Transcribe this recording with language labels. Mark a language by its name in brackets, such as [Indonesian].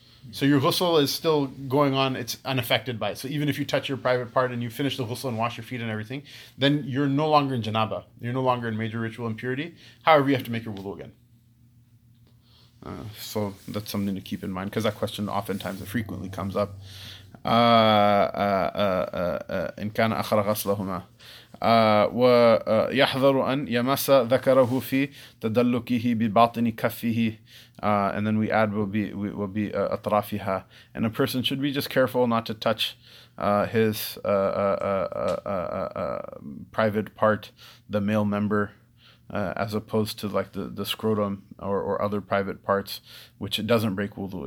[English] So your ghusl is still going on, it's unaffected by it. So even if you touch your private part and you finish the ghusl and wash your feet and everything, then you're no longer in janaba. You're no longer in major ritual impurity. However, you have to make your wudu again. So that's something to keep in mind, because that question oftentimes, it frequently comes up. [Arabic] إن كان آخر غسلهما ويحذر أن يمس ذكره في تدلكه بباطن كفه. [English] And then we add will be [Arabic] أطرافها. [English] And a person should be just careful not to touch his private part, the male member, as opposed to like the scrotum or other private parts, which it doesn't break wudu.